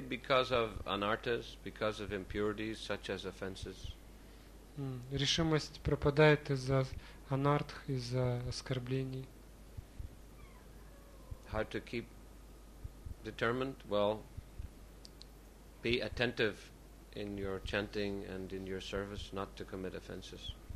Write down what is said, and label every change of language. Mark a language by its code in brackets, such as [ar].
[en] because of anarthas, because of impurities such as offenses. [ru] Решимость пропадает из-за анартх, из-за оскорблений. [en] How to keep determined? Well, be attentive in your chanting and in your service not to commit offenses.